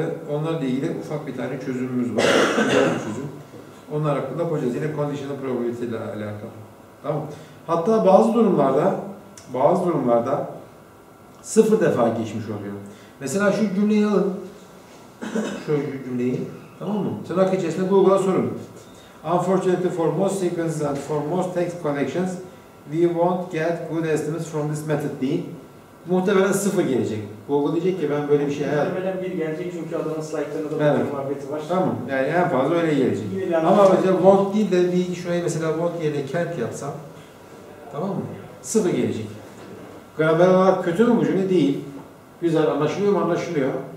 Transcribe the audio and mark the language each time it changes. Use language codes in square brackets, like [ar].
[tr] Onlarla ilgili ufak bir tane çözümümüz var. Çözüm. Onlar hakkında yapacağız. Yine conditional probability ile alakalı. Tamam. Hatta bazı durumlarda sıfır defa geçmiş oluyor. Mesela şu cümleyi alın. Şu cümleyi. Tamam mı? Tırnak içerisinde Google'a sorun. [en] Unfortunately, for most sequences and for most text collections, we won't get good estimates from this method [tr] değil. Muhtemelen sıfır gelecek. Google diyecek ki ben böyle bir şey hayal... Muhtemelen bir gelecek çünkü adamın slaytlarında da evet. Bir muhabbeti var. Tamam. Yani en fazla öyle gelecek. Ama mesela won't değil de bir şöyle mesela won't yerine can't yapsam, tamam mı? Sıfır gelecek. Gramer olarak kötü mü bu cümle? Değil. Güzel, anlaşılıyor.